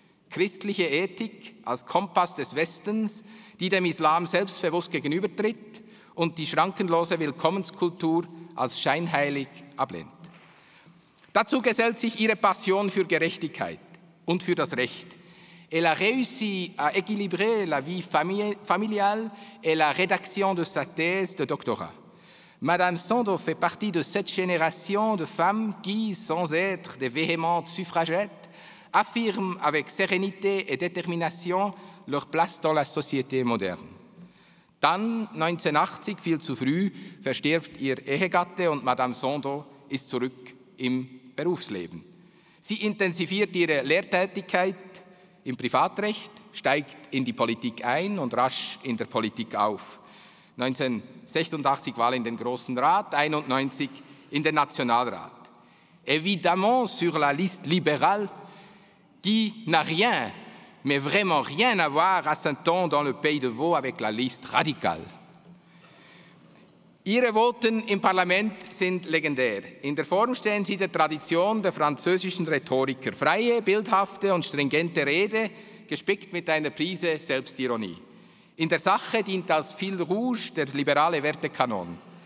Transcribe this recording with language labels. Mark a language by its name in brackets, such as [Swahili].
[German] Christliche Ethik als Kompass des Westens, die dem Islam selbstbewusst gegenübertritt und die schrankenlose Willkommenskultur als scheinheilig ablehnt. Dazu gesellt sich ihre Passion für Gerechtigkeit und für das Recht. [French] Elle a réussi à équilibrer la vie familiale et la rédaction de sa thèse de doctorat. Madame Sandow fait partie de cette génération de femmes qui, sans être des véhémentes suffragettes, affirment avec sérénité et détermination leur place dans la société moderne. [German] Dann, 1980, viel zu früh, verstirbt ihr Ehegatte und Madame Sandow ist zurück im Berufsleben. Sie intensiviert ihre Lehrtätigkeit im Privatrecht, steigt in die Politik ein und rasch in der Politik auf. 1986 Wahl in den Grossen Rat, 1991 in den Nationalrat. [French] Évidemment, sur la liste libérale, qui n'a rien, mais vraiment rien à voir à Saint-Ouen dans le pays de Vaud avec la liste radicale. [German] Ihre Voten im Parlament sind legendär. In der Form stehen sie der Tradition der französischen Rhetoriker. Freie, bildhafte und stringente Rede, gespickt mit einer Prise Selbstironie. In der Sache dient als Fil Rouge der liberale Wertekanon.